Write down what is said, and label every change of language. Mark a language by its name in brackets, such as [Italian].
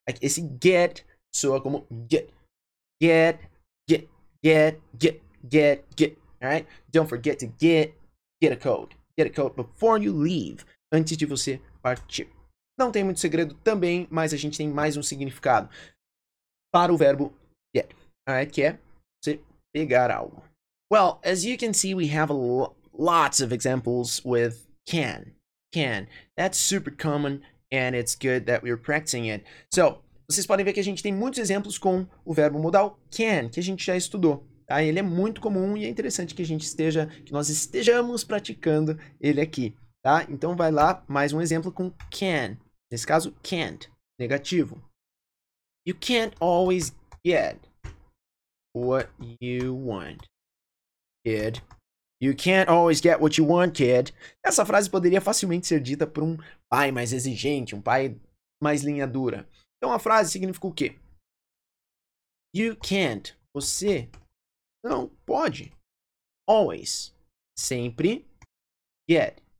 [English] Esse get soa como get. Get. Get. Get. Get. Get. Get. Alright? Don't forget to get a coat. Get a coat before you leave. [Portuguese] Antes de você partir. Não tem muito segredo também, mas a gente tem mais um significado para o verbo get. Alright? Que é você pegar algo. [English] Well, as you can see, we have lots of examples with can. Can. That's super common and it's good that we're practicing it. [Portuguese] So, vocês podem ver que a gente tem muitos exemplos com o verbo modal can, que a gente já estudou. Tá? Ele é muito comum e é interessante que a gente esteja, que nós estejamos praticando ele aqui. Tá? Então, vai lá, mais um exemplo com can. Nesse caso, can't. Negativo. [English] You can't always get what you want, kid. You can't always get what you want, kid. [Portuguese] Essa frase poderia facilmente ser dita por um pai mais exigente, um pai mais linha dura. Então, a frase significa o quê? [English] You can't. [Portuguese] Você não pode. Always. Sempre. Get.